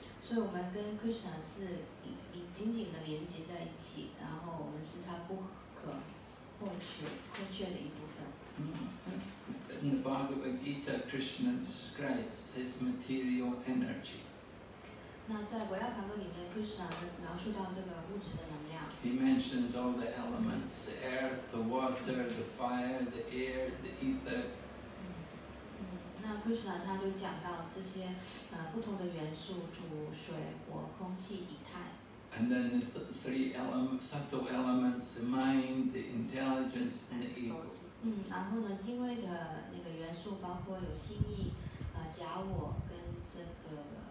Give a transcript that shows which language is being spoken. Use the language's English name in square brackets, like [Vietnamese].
[Chinese] 所以我们跟 Krishna 是紧紧的连接在一起，然后我们是他不可或缺的一部分。 [English] In the Bhagavad Gita, Krishna describes his material energy. [Chinese] 那在维亚卡格里面 ，Krishna 描述到这个物质的能量。 [English] He mentions all the elements: the earth, the water, the fire, the air, the ether. [Chinese] 那 Krishna 他就讲到这些不同的元素：土、水、火、空气、以太。 [English] And then the three elements, subtle elements: the mind, the intelligence, and the ego. [Chinese] 然后呢，精微的那个元素包括有心意、假我跟这个。